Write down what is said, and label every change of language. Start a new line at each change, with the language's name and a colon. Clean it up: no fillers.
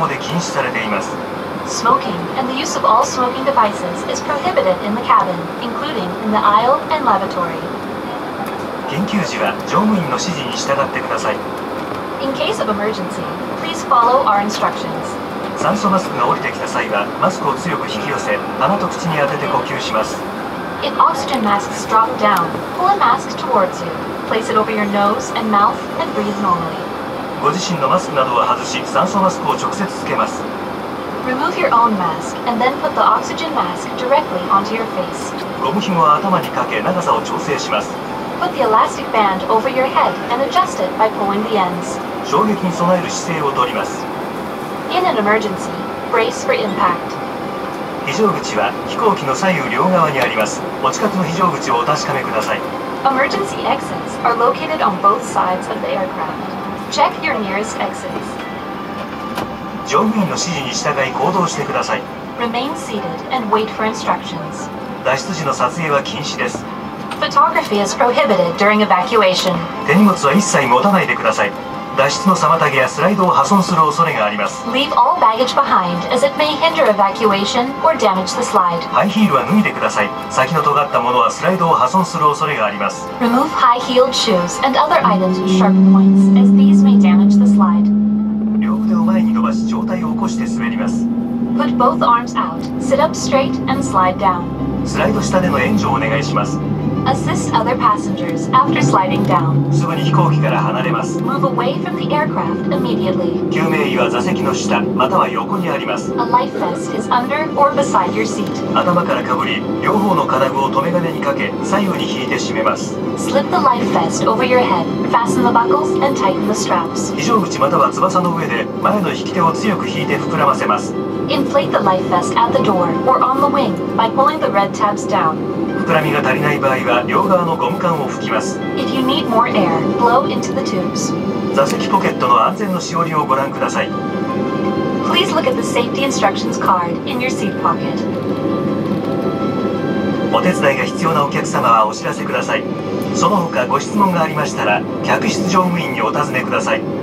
English: Smoking and the use of all smoking devices is prohibited in the cabin, including in the aisle and lavatory.
Japanese: 緊急時は乗務員の指示に従ってください。
English: In case of emergency, please follow our instructions.
Japanese: 酸素マスクが降りてきた際は、マスクを強く引き寄せ、鼻と口に当てて呼吸します。
English: If oxygen masks drop down, pull a mask towards you. Place it over your nose and mouth and breathe normally.
Japanese: ご自身のマスクなどは外し、酸素マスクを直接つけます。
English: Remove your own mask and then put the oxygen mask directly onto your face.
Japanese: ゴム紐は頭にかけ、長さを調整します。
English: Put the elastic band over your head and adjust it by pulling the ends.
Japanese: 衝撃に備える姿勢をとります。
English: In an emergency, brace for impact.
Japanese: 非常口は飛行機の左右両側にあります。お近くの非常口をお確かめください。
English: Emergency exits are located on both sides of the aircraft. Check your nearest exits.
Japanese: 乗務員の指示に従い行動してください。
English: Remain seated and wait for instructions.
Japanese: 脱出時の撮影は禁止です。
English: Photography is prohibited during evacuation.
Japanese: 手荷物は一切持たないでください。脱出の妨げやスライドを破損する恐れがあります。
English: Leave all baggage behind as it may hinder evacuation or damage the slide.
Japanese: ハイヒールは脱いでください。先の尖ったものはスライドを破損する恐れがあります。
English: Remove high-heeled shoes and other items with sharp points as these may damage the slide.
Japanese: 両腕を前に伸ばし上体を起こして滑ります。
English: Put both arms out, sit up straight and slide down.
Japanese: スライド下での援助をお願いします。
English: Assist other passengers after sliding down.
Japanese: すぐに飛行機から離れます。
English: Move away from the aircraft immediately.
Japanese: 救命衣は座席の下または横にあります。
English: A life vest is under or beside your seat.
Japanese: 頭からかぶり、両方の金具を留め金にかけ、左右に引いて締めます。
English: Slip the life vest over your head. Fasten the buckles and tighten the straps.
Japanese: 非常口または翼の上で前の引き手を強く引いて膨らませます。
English: Inflate the life vest at the door or on the wing by pulling the red tabs down.
Japanese: 膨らみが足りない場合は両側のゴム管を吹きます。
English: If you need more air, blow into the tubes.
Japanese: 座席ポケットの安全のしおりをご覧ください。
English: Please look at the safety instructions card in your seat pocket.
Japanese: お手伝いが必要なお客様はお知らせください。その他ご質問がありましたら、客室乗務員にお尋ねください。